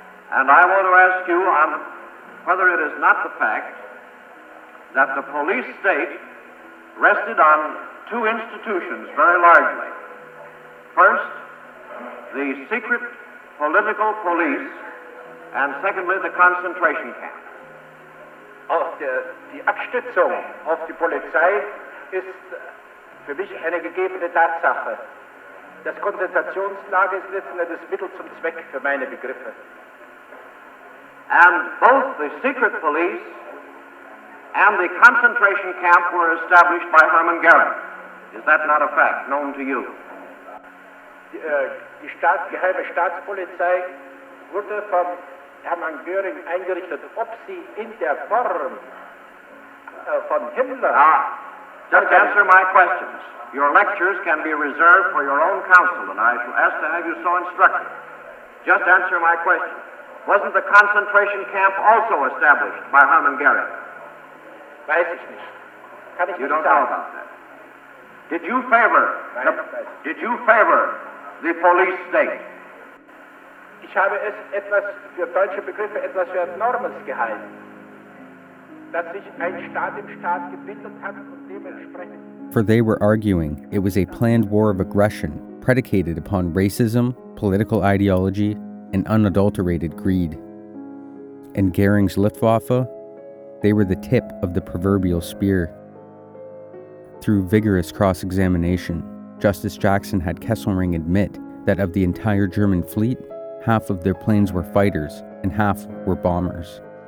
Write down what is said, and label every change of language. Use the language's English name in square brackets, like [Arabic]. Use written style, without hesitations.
[English] And I want to ask you on whether it is not the fact that the police state rested on two institutions very largely. First, the secret political police, and secondly, the concentration camp. [German] Auch die Abstützung auf die Polizei ist für mich eine gegebene Tatsache. Das Konzentrationslager ist letzten Endes Mittel zum Zweck für meine Begriffe. [English] And both the secret police and the concentration camp were established by Hermann Goering. Is that not a fact known to you? [German] Die geheime Staatspolizei wurde vom Hermann Goering eingerichtet, ob sie in der Form von Himmler... [English] Just answer my questions. Your lectures can be reserved for your own counsel, and I shall ask to have you so instructed. Just answer my question. Wasn't the concentration camp also established by Hermann Goering? [German] Weiß ich nicht. Kann ich [English] you [German] nicht [English] don't [German] sagen. [English] Know about that. Did you favor... Did you favor the police state? [German] Ich habe es etwas für deutsche Begriffe etwas für Normes gehalten, dass sich ein Staat im Staat gebildet hat und dementsprechend. [English] For they were arguing it was a planned war of aggression predicated upon racism, political ideology, and unadulterated greed. And Goering's Luftwaffe, They were the tip of the proverbial spear. Through vigorous cross-examination, Justice Jackson had Kesselring admit that of the entire German fleet, half of their planes were fighters and half were bombers.